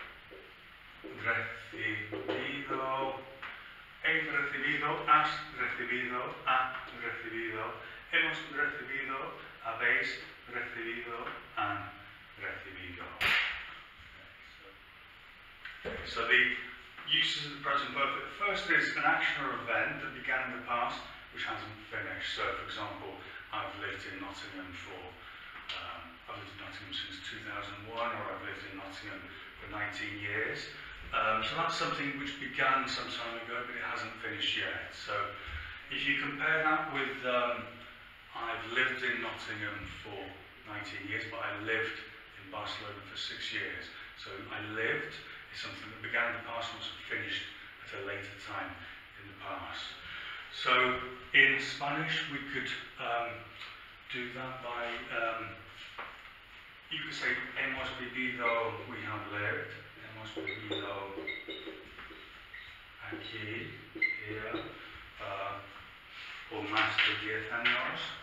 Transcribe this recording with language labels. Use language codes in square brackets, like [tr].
[es] Recibido, he recibido, has recibido, ha recibido, hemos recibido, habéis recibido, han recibido. [en] So the uses of the present perfect. First is an action or event that began in the past which hasn't finished. So for example, I've lived in Nottingham for I've lived in Nottingham since 2001, or I've lived in Nottingham for 19 years. So that's something which began some time ago, but it hasn't finished yet. So if you compare that with I've lived in Nottingham for 19 years, but I lived in Barcelona for 6 years. So I lived is something that began in the past and was finished at a later time in the past. So in Spanish, we could do that by, you could say, hemos vivido, we have lived. [es] Hemos vivido aquí, here, por más de 10 años.